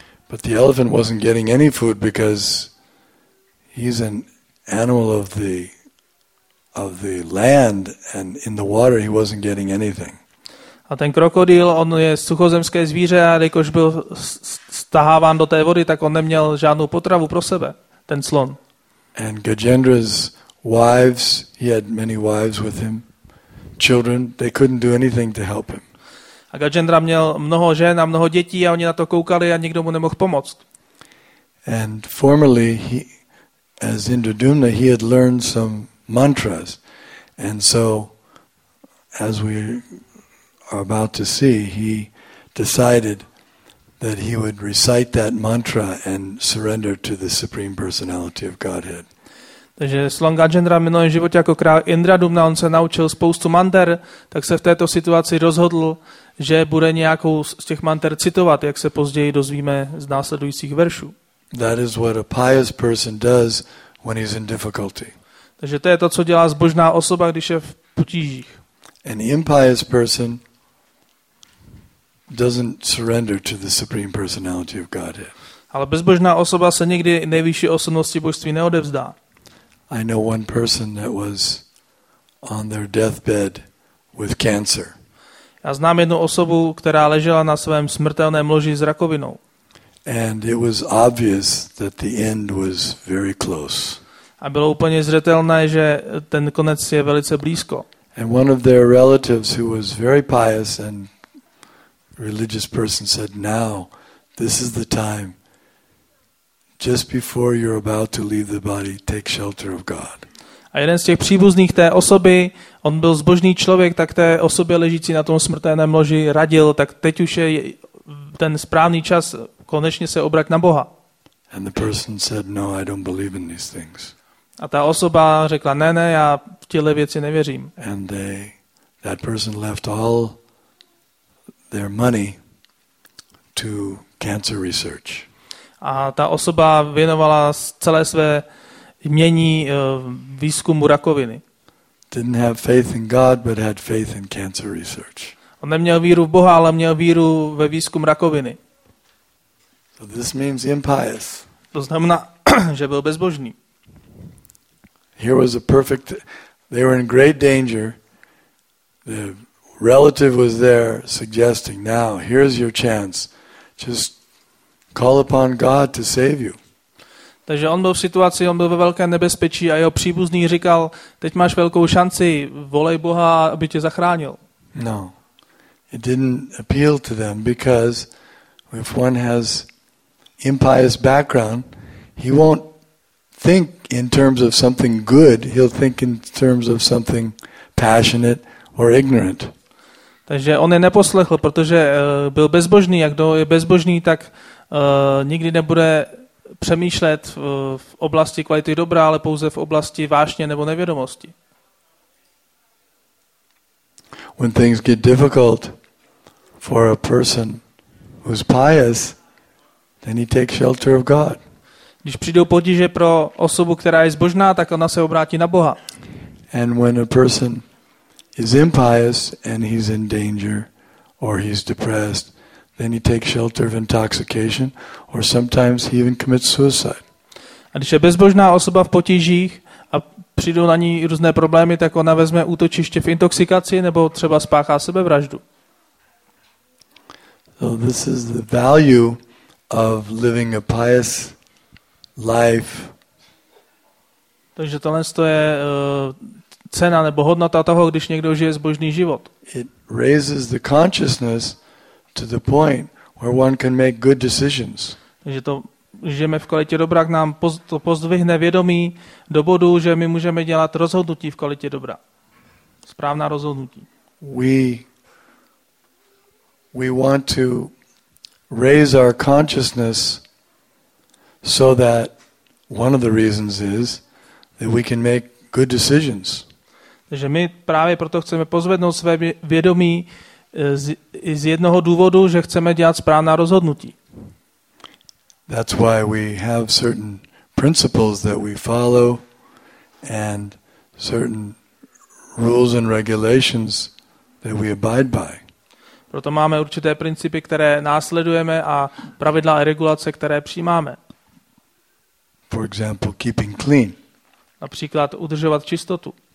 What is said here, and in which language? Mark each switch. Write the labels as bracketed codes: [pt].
[en] But the elephant wasn't getting any food because he's an animal of the land, and in the water he wasn't getting anything. [cs] A ten krokodýl, on je suchozemské zvíře a jakož byl stahován do té vody, tak on neměl žádnou potravu pro sebe, ten slon. [en] And Gajendra's wives, he had many wives with him, children, they couldn't do anything to help him. [cs] A Gajendra měl mnoho žen a mnoho dětí a oni na to koukali a nikdo mu nemohl pomoct. [en] And formerly, as Indradumna, he had learned some mantras. And so, as we are about to see, he decided that he would recite that mantra and surrender to the Supreme Personality of Godhead. [cs] Takže slon Gajendra v minulém životě jako král Indradumna, on se naučil spoustu manter, tak se v této situaci rozhodl, že bude nějakou z těch manter citovat, jak se později dozvíme z následujících veršů. [en] That is what a pious person does when he's in difficulty. [cs] Takže to je to, co dělá zbožná osoba, když je v potížích. [en] An impious person doesn't surrender to the Supreme Personality of Godhead. [cs] Ale bezbožná osoba se nikdy nejvyšší osobnosti božství neodevzdá. [en] I know one person that was on their deathbed with cancer. [cs] Já znám jednu osobu, která ležela na svém smrtelném loži s rakovinou. [en] And it was obvious that the end was very close. [cs] A bylo úplně zřetelné, že ten konec je velice blízko. [en] And one of their relatives who was very pious and religious person said, "Now, this is the time. Just before you're about to leave the body, take shelter of God." [cs] A jeden z těch příbuzných té osoby, on byl zbožný člověk, tak té osobě ležící na tom smrtelném loži radil, tak teď už je ten správný čas, konečně se obrať na Boha. [en] And the person said, "No, I don't believe in these things." [cs] A ta osoba řekla, ne, já v těhle věci nevěřím. [en] And that person left all their money to cancer research. [cs] A ta osoba věnovala celé své jmění výzkumu rakoviny. [en] Didn't have faith in God, but had faith in cancer research. [cs] On neměl víru v Boha, ale měl víru ve výzkum rakoviny. [en] So this means impious. [cs] To znamená, že byl bezbožný. [en] Here was a perfect, they were in great danger. The relative was there suggesting, "Now, here's your chance. Just call upon God to save you." [cs] Takže on byl v situaci, on byl ve velké nebezpečí a jeho příbuzný říkal, teď máš velkou šanci, volej Boha, aby tě zachránil. [en] No, it didn't appeal to them because if one has impious background, he won't think in terms of something good, he'll think in terms of something passionate or ignorant. [cs] Takže on je neposlechl, protože byl bezbožný, a kdo je bezbožný, tak nikdy nebude přemýšlet v oblasti kvality dobra, ale pouze v oblasti vášně nebo nevědomosti. [en] When things get difficult for a person who's pious, then he takes shelter of God. [cs] Když přijdou potíže pro osobu, která je zbožná, tak ona se obrátí na Boha. [en] And when a person is impious and he's in danger or he's depressed, then he takes shelter of intoxication, or sometimes he even commits suicide. [cs] A když je bezbožná osoba v potížích a přijdou na ní různé problémy, tak ona vezme útočiště v intoxikaci nebo třeba spáchá sebevraždu. [en] So this is the value of living a pious life. [cs] Takže tohle je cena nebo hodnota toho, když někdo žije zbožný život. [en] It raises the consciousness to the point where one can make good decisions. [cs] Takže to žijeme v kvalitě dobra, nám to pozdvihne vědomí do bodu, že my můžeme dělat rozhodnutí v kvalitě dobra. Správná rozhodnutí. [en] We want to raise our consciousness so that one of the reasons is that we can make good decisions. [cs] Takže my právě proto chceme pozvednout své vědomí z jednoho důvodu, že chceme dělat správná rozhodnutí. [en] That's why we have certain principles that we follow and certain rules and regulations that we abide by. [cs] Proto máme určité principy, které následujeme a pravidla a regulace, které přijímáme. [en] For example, keeping clean. [cs] Například udržovat čistotu.